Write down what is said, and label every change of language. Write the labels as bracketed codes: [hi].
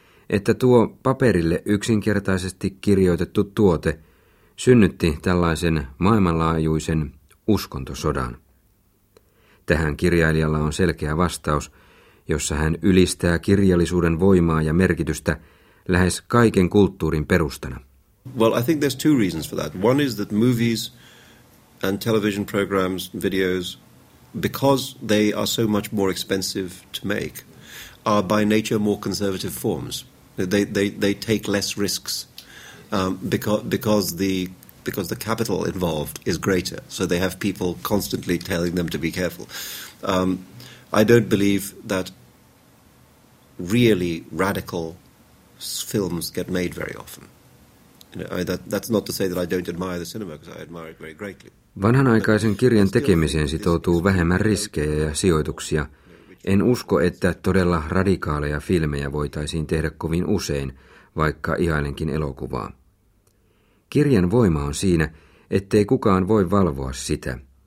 [fi] että tuo paperille yksinkertaisesti kirjoitettu tuote synnytti tällaisen maailmanlaajuisen uskontosodan. Tähän kirjailijalla on selkeä vastaus, jossa hän ylistää kirjallisuuden voimaa ja merkitystä lähes kaiken kulttuurin perustana. [en] Well, I think there's two reasons for that. One is that movies and television programs, videos, because they are so much more expensive to make, are by nature more conservative forms. They take less risks because the capital involved is greater. So they have people constantly telling them to be careful. I don't believe that really radical films get made very often. That's not to say that I don't admire the cinema, because I admire it very greatly. [fi] Vanhanaikaisen kirjan tekemiseen sitoutuu vähemmän riskejä ja sijoituksia. En usko, että todella radikaaleja filmejä voitaisiin tehdä kovin usein, vaikka ihailenkin elokuvaa. Kirjan voima on siinä, ettei kukaan voi valvoa sitä.